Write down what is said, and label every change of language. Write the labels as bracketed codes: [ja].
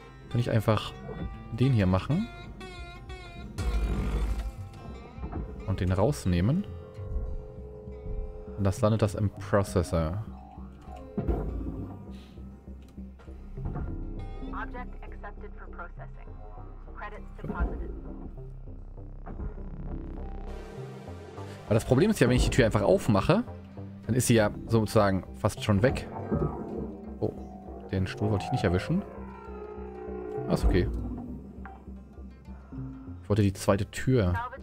[de] Kann ich einfach den hier machen? und den rausnehmen. Und das landet das im Processor. [en] Object accepted for processing. Credits deposited. [de] Aber das Problem ist ja, wenn ich die Tür einfach aufmache, dann ist sie ja sozusagen fast schon weg. Oh, den Stuhl wollte ich nicht erwischen. Ah, ist okay. Ich wollte die zweite Tür.